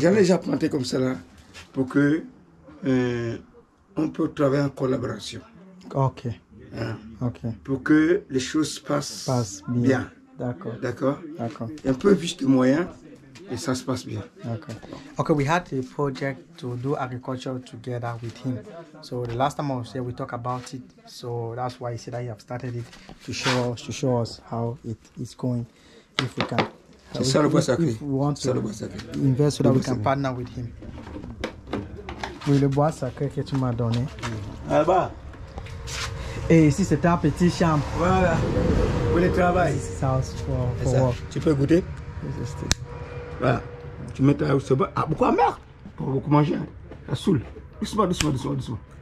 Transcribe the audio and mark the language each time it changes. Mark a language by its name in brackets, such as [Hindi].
[French] J'en ai déjà planté comme cela pour que on peut travailler en collaboration. Ok. Hein? Ok. Pour que les choses passent bien. Bien. D'accord. D'accord. D'accord. Un peu plus de moyens et ça se passe bien. D'accord. [English] Ok, we had a project to do agriculture together with him. So the last time I was here, we talked about it. So that's why he said that he have started it to show us how it is going. If we can, [French] c'est ça le bois sacré. [English] If we want to invest so that we can partner with him. [French] Oui, le bois sacré que tu m'as donné. Là-bas. Et ici, c'est ta petite chambre. Voilà. Pour le travail. [English] This is house for work. [French] Tu peux goûter? Juste. Voilà. Tu mets ta house. Ah, pourquoi merde? Pour beaucoup manger. Ça saoule. Doucement, doucement, doucement, doucement.